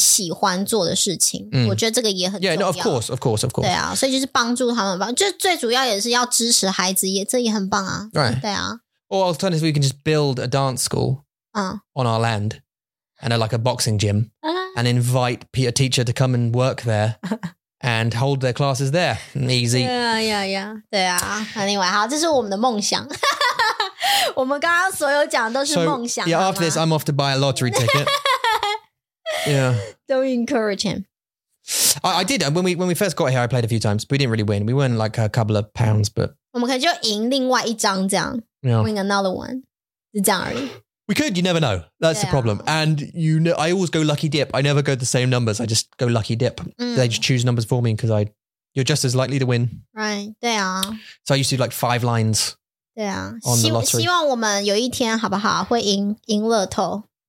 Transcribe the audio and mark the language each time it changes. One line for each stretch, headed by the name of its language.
Chinese: 对啦，就是支持他们做他们喜欢做的事情。我觉得这个也很重要。
English: Yeah, no, of course.
Chinese: 对啊，所以就是帮助他们吧。就最主要也是要支持孩子，这也很棒啊。
English: Right.
Chinese: 对啊。
English: Or alternatively, we can just build a dance school on our land. And like a boxing gym, and invite a teacher to come and work there, and hold their classes there. Easy. Anyway,
Chinese: 好，这是我们的梦想。我们刚刚所有讲的都是梦想。
English: Yeah, after this, I'm off to buy a lottery ticket. Yeah. Don't encourage him. I did. When we first got here, I played a few times. But we didn't really win. We won like a couple of pounds, but.
Chinese: 我们可能就赢另外一张这样。
English: Win another one.
Chinese: 是这样而已。
English: We could, you never know. That's the problem. And you know, I always go lucky dip. I never go the same numbers. I just go lucky dip. Mm. They just choose numbers for me because I, you're just as likely to win. Right. So I used to do like five lines. Yeah. On the lottery.
Chinese: 希望我们有一天好不好会赢乐透。